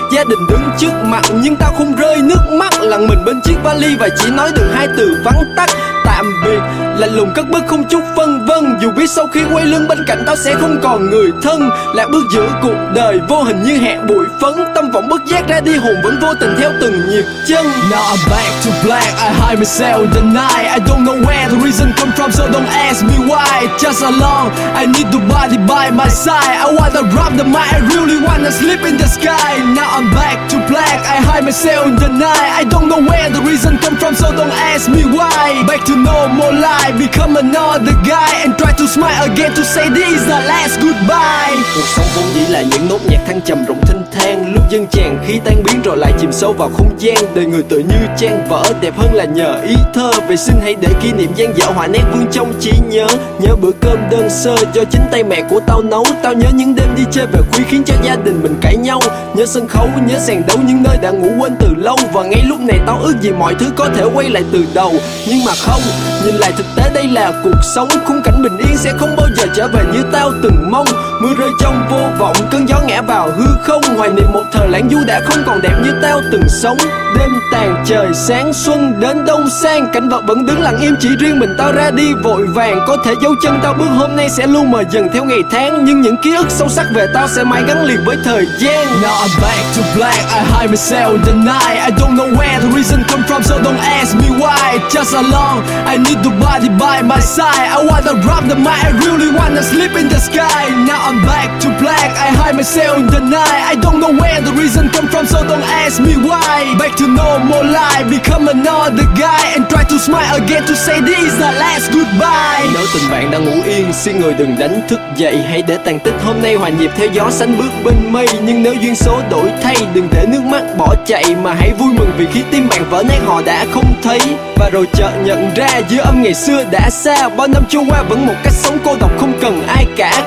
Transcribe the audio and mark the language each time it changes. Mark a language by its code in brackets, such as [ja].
[vi] Gia đình đứng trước mặt nhưng tao không rơi nước mắt, lặng mình bên chiếc vali và chỉ nói được hai từ vắng tắt: tạm biệt. Lạnh lùng cất bước không chút phân vân, dù biết sau khi quay lưng bên cạnh tao sẽ không còn người thân. Lạc bước giữa cuộc đời vô hình như hạt bụi phấn, tâm vọng bất giác ra đi, hồn vẫn vô tình theo từng nhịp chân. [en] Now I'm back to black, I hide myself the night. I don't know where the reason come from, so don't ask me why. Just along, I need the body by my side. I wanna grab the mic, I really wanna sleep in the sky. Now I'm back to black, I hide myself the night. I don't know where the reason come from, so don't ask me why. Back to no more lies, I become another guy and try to smile again to say this is the last goodbye. [vi] Cuộc sống vốn chỉ là những nốt nhạc thăng trầm rộng thênh thang, lúc dâng tràn khi tan biến rồi lại chìm sâu vào không gian. Đời người tự như trang vỡ, đẹp hơn là nhờ ý thơ. Vậy xin hãy để kỷ niệm gian dở hòa nét vương trong trí nhớ. Nhớ bữa cơm đơn sơ do chính tay mẹ của tao nấu. Tao nhớ những đêm đi chơi về khuya khiến cho gia đình mình cãi nhau. Nhớ sân khấu, nhớ sàn đấu, những nơi đã ngủ quên từ lâu. Và ngay lúc này tao ước gì mọi thứ có thể quay lại từ đầu, nhưng mà không. Nhìn lại thực tế đây là cuộc sống, khung cảnh bình yên sẽ không bao giờ trở về như tao từng mong. Mưa rơi trong vô vọng, cơn gió ngã vào hư không. Hoài niệm một thời lãng du đã không còn đẹp như tao từng sống. Đêm tàn trời sáng, xuân đến đông sang, cảnh vật vẫn đứng lặng im, chỉ riêng mình tao ra đi vội vàng. Có thể dấu chân tao bước hôm nay sẽ luôn mờ dần theo ngày tháng, nhưng những ký ức sâu sắc về tao sẽ mãi gắn liền với thời gian. [en] Now I'm back to black, I hide myself the night. I don't know where the reason come from, so don't ask me why. Just along, I need the body by my side. I wanna grab the mic, I really wanna sleep in the sky. Now I'm back to black, I hide myself in the night. I don't know where the reason come from, so don't ask me why. Back to no more lie, become another guy and try to smile again to say this is the last goodbye. [vi] Nếu tình bạn đang ngủ yên, xin người đừng đánh thức dậy. Hãy để tàn tích hôm nay hòa nhịp theo gió sánh bước bên mây. Nhưng nếu duyên số đổi thay, đừng để nước mắt bỏ chạy, mà hãy vui mừng vì khi tim bạn vỡ nát họ đã không thấy. Và rồi chợt nhận ra dư âm ngày xưa đã xa, bao năm trôi qua vẫn một cách sống cô độc không cần ai cả.